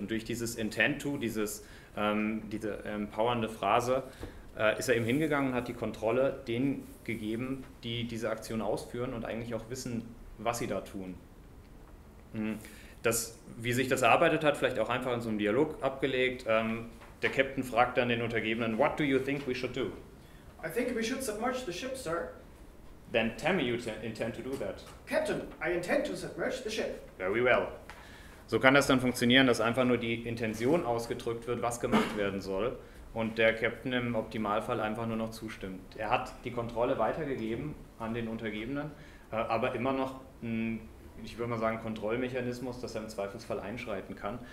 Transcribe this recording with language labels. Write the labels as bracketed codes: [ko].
[de] Und durch dieses Intent to, diese empowernde Phrase, ist er eben hingegangen und hat die Kontrolle denen gegeben, die diese Aktion ausführen und eigentlich auch wissen, was sie da tun. Das, wie sich das erarbeitet hat, vielleicht auch einfach in so einem Dialog abgelegt. Der Captain fragt dann den Untergebenen, [en] what do you think we should do? I think we should submerge the ship, sir. Then tell me you intend to do that. Captain, I intend to submerge the ship. Very well. [de] So kann das dann funktionieren, dass einfach nur die Intention ausgedrückt wird, was gemacht werden soll. Und der Captain im Optimalfall einfach nur noch zustimmt. Er hat die Kontrolle weitergegeben an den Untergebenen, aber immer noch ich würde mal sagen, Kontrollmechanismus, dass er im Zweifelsfall einschreiten kann.